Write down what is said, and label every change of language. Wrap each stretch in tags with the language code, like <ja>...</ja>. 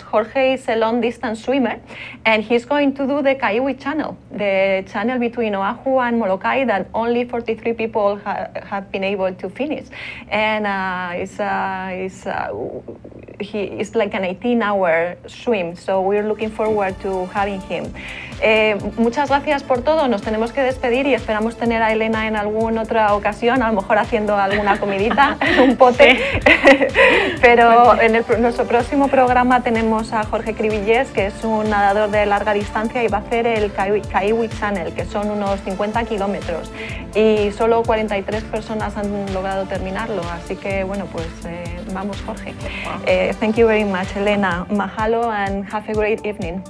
<en>Jorge is a long distance swimmer and he's going to do the Kaiwi Channel, the channel between Oahu and Molokai that only 43 people have been able to finish. And it's like an 18-hour swim, so we're looking forward to having him.</en> <es>Muchas gracias por todo, nos tenemos que despedir y esperamos tener a Elena en alguna otra ocasión, a lo mejor haciendo alguna comidita, un pote. <Sí. risa> Pero en nuestro próximo programa tenemos a Jorge Cribillés, que es un nadador de larga distancia y va a hacer el Kaiwi Channel, que son unos 50 kilómetros. Y solo 43 personas han logrado terminarlo, así que bueno, pues vamos Jorge.</es> <en>Wow. Thank you very much, Elena. Mahalo and have a great evening.</en>